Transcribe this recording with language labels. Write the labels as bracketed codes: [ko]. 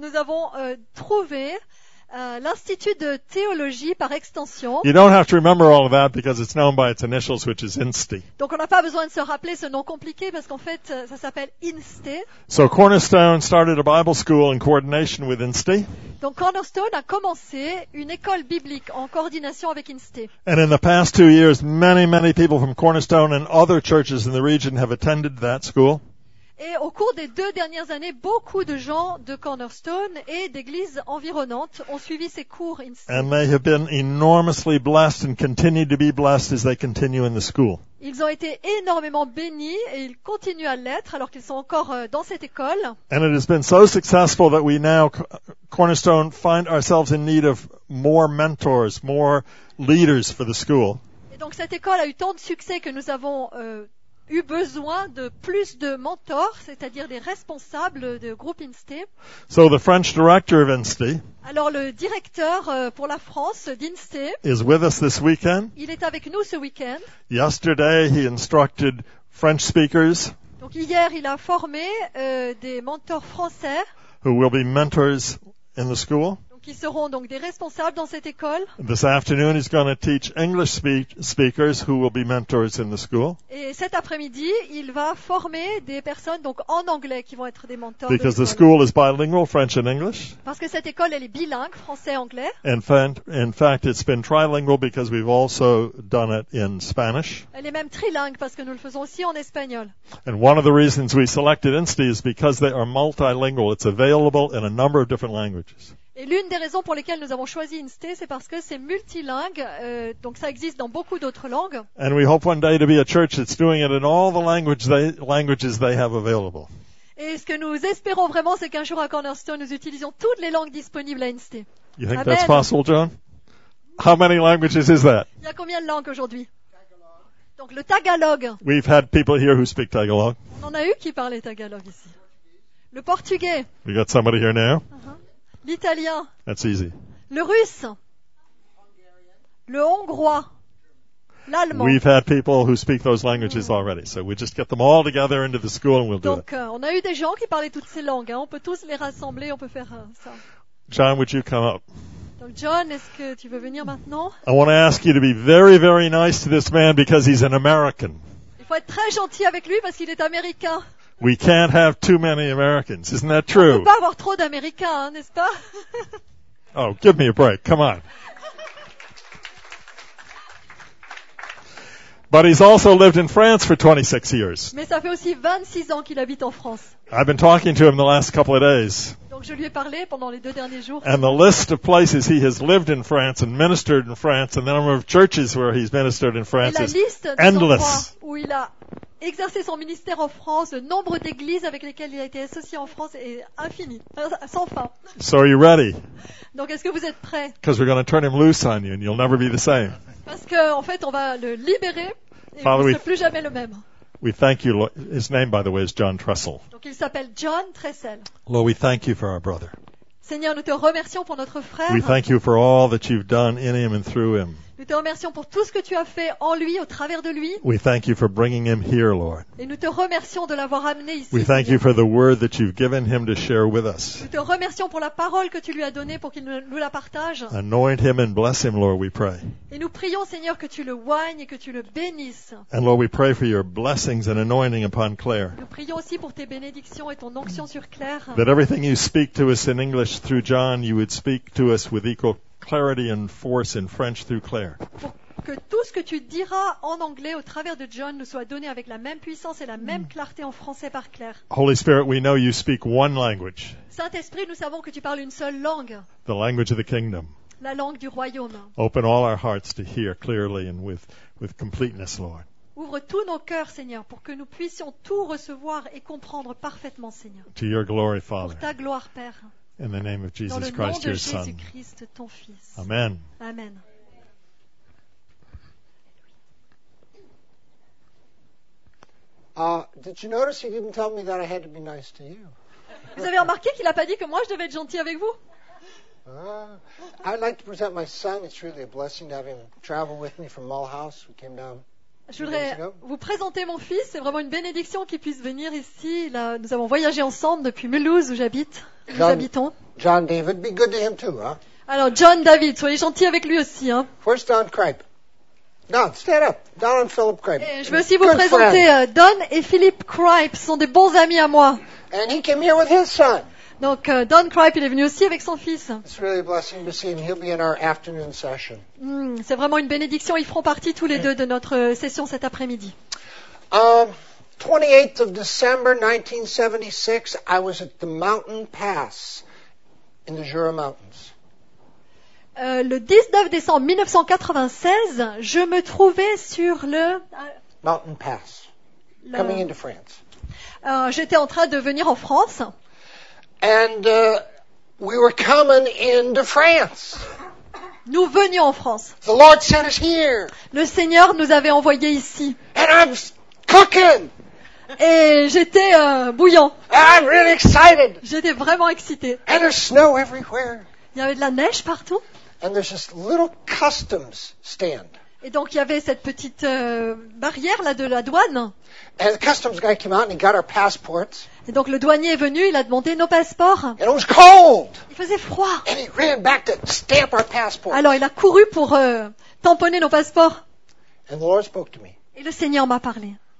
[fr] Nous avons trouvé l'Institut de théologie par extension. [en] You don't have to remember all of that because it's known by its initials, which is INSTI. [fr] Donc on n'a pas besoin de se rappeler ce nom compliqué parce qu'en fait ça s'appelle INSTI. [en] So Cornerstone started a Bible school in coordination with INSTI. [fr] Donc Cornerstone a commencé une école biblique en coordination avec INSTI. [en] And in the past 2 years, many, many people from Cornerstone and other churches in the region have attended that school. [fr] Et au cours des deux dernières années, beaucoup de gens de Cornerstone et d'églises environnantes ont suivi ces cours INSTI. [en] And they have been enormously blessed and continue to be blessed as they continue in the school. [fr] Ils ont été énormément bénis et ils continuent à l'être alors qu'ils sont encore dans cette école. [en] And it has been so successful that we now, Cornerstone, find ourselves in need of more mentors, more leaders for the school. [fr] Et donc cette école a eu tant de succès que nous avons eu besoin de plus de mentors, c'est-à-dire des responsables de groupe INSTI. [en] So the French director of INSTI. [fr] Alors le directeur pour la France d'INSTI. [en] Is with us this weekend. [fr] Il est avec nous ce week-end. [en] Yesterday he instructed French speakers. [fr] Donc hier il a formé des mentors français. [en] Who will be mentors in the school. [fr] Qui seront donc des responsables dans cette école. [en] This afternoon he's going to teach English speakers who will be mentors in the school. [fr] Et cet après-midi, il va former des personnes donc en anglais qui vont être des mentors. [en] Because the school is bilingual, French and English. [fr] Parce que cette école elle est bilingue, français et anglais. [en] In fact, it's been trilingual because we've also done it in Spanish. [fr] Elle est même trilingue parce que nous le faisons aussi en espagnol. [en] And one of the reasons we selected INSTI is because they are multilingual. It's available in a number of different languages. [fr] Et l'une des raisons pour lesquelles nous avons choisi INSTI, c'est parce que c'est multilingue, donc ça existe dans beaucoup d'autres langues. [en] And we hope one day to be a church that's doing it in all the languages they have available. [fr] Et ce que nous espérons vraiment, c'est qu'un jour à Cornerstone, nous utilisions toutes les langues disponibles à INSTI. [en] You think Amen. That's possible, John? How many languages is that? [fr] Il y a combien de langues aujourd'hui? Donc le Tagalog. [en] We've had people here who speak Tagalog. [fr] On en a eu qui parlaient Tagalog ici. Le portugais. [en] We got somebody here now. [fr] L'italien. [en] That's easy. [fr] Le russe. Le hongrois. L'allemand. [en] We've had people who speak those languages already. So we just get them all together into the school and we'll [fr] Donc, [en] do it. [fr] Donc, on a eu des gens qui parlaient toutes ces langues. Hein. On peut tous les rassembler, on peut faire ça. [en] John, would you come up? [fr] Donc, John, est-ce que tu veux venir maintenant? [en] I want to ask you to be very, very nice to this man because he's an American. [fr] Il faut être très gentil avec lui parce qu'il est américain. [en] We can't have too many Americans, isn't that true? [fr] On ne peut pas avoir trop d'Américains, hein, n'est-ce pas? [en] Oh, give me a break, come on. But he's also lived in France for 26 years. [fr] Mais ça fait aussi 26 ans qu'il habite en France. [en] I've been talking to him the last couple of days. [fr] Donc je lui ai parlé pendant les deux derniers jours. [en] And the list of places he has lived in France and ministered in France and the number of churches where he's ministered in France [fr] Et la liste [en] is endless. [fr] Où il a exercé son ministère en France, le nombre d'églises avec lesquelles il a été associé en France est infini, sans fin. [en] So are you ready? [fr] Donc est-ce que vous êtes prêts? [en] Because we're going to turn him loose on you and you'll never be the same. [fr] Parce que en fait on va le libérer et Father, vous ne serez plus jamais le même. [en] We thank you. His name, by the way, is John Tressel. [fr] Donc il s'appelle John Tressel. [en] Lord, we thank you for our brother. [fr] Seigneur, nous te remercions pour notre frère. [en] We thank you for all that you've done in him and through him. [fr] Nous te remercions pour tout ce que tu as fait en lui, au travers de lui. [en] We thank you for bringing him here, Lord. [fr] Et nous te remercions de l'avoir amené ici. [en] We thank you for the word that you've given him to share with us. [fr] Nous te remercions pour la parole que tu lui as donnée pour qu'il nous la partage. [en] Anoint him and bless him, Lord, we pray. [fr] Et nous prions, Seigneur, que tu le oignes et que tu le bénisses. [en] And Lord, we pray for your blessings and anointing upon Claire. [fr] Nous prions aussi pour tes bénédictions et ton onction sur Claire. [en] That everything you speak to us in English through John, you would speak to us with equal clarity and force in French through Claire. [fr] Pour que tout ce que tu diras en anglais au travers de John nous soit donné avec la même puissance et la même clarté en français par Claire. [en] Holy Spirit, we know you speak one language. [fr] Saint-Esprit, nous savons que tu parles une seule langue. [en] The language of the kingdom. [fr] La langue du royaume. [en] Open all our hearts to hear clearly and with completeness, Lord. [fr] Ouvre tous nos cœurs, Seigneur, pour que nous puissions tout recevoir et comprendre parfaitement, Seigneur. [en] To your glory, Father. [fr] Pour ta gloire, Père. [en] In the name of Jesus Christ, your Son. Amen. Amen. Did you notice he didn't tell me that I had to be nice to you? [fr] Vous avez remarqué qu'il a pas dit que moi je devais être gentil avec vous? [en] I'd like to present my son. It's really a blessing to have him travel with me from Mulhouse. We came down. [fr] Je voudrais vous présenter mon fils. C'est vraiment une bénédiction qu'il puisse venir ici. Là, nous avons voyagé ensemble depuis Mulhouse, où j'habite, où John, nous habitons. [en] John David, be good to him too, huh? [fr] Alors, John David, soyez gentil avec lui aussi. Hein. [en] Where's Don Cripe? Don, stand up. Don and Philip Cripe. [fr] Et je veux aussi vous présenter Don et Philip Cripe. Ce sont des bons amis à moi. [en] And he came here with his son. [fr] Donc, Don Cripe, il est venu aussi avec son fils. [en] It's really a blessing to see him. He'll be in our afternoon session. [fr] C'est vraiment une bénédiction. Ils feront partie tous les deux de notre session cet après-midi. [en] 28th of December 1976, I was at the Mountain Pass in the Jura Mountains. [fr] Le 19 décembre 1996, je me trouvais sur le... [en] Mountain Pass, le... coming into France. [fr] J'étais en train de venir en France. [en] And we were coming into France. [fr] Nous venions en France. [en] The Lord sent us here. [fr] Le Seigneur nous avait envoyé ici. [en] And I'm cooking. [fr] Et j'étais bouillant. [en] I'm really excited. [fr] J'étais vraiment excité. [en] And there's snow everywhere. [fr] Il y avait de la neige partout. [en] And there's this little customs stand. [fr] Et donc il y avait cette petite barrière là de la douane. [en] And the customs guy came out and he got our passports. [fr] Et donc le douanier est venu, il a demandé nos passeports. [en] And it was cold. [fr] Il faisait froid. [en] And he ran back to stamp our passports. [fr] Alors il a couru pour tamponner nos passeports. [en] And the Lord spoke to me. [fr] Et le Seigneur m'a parlé.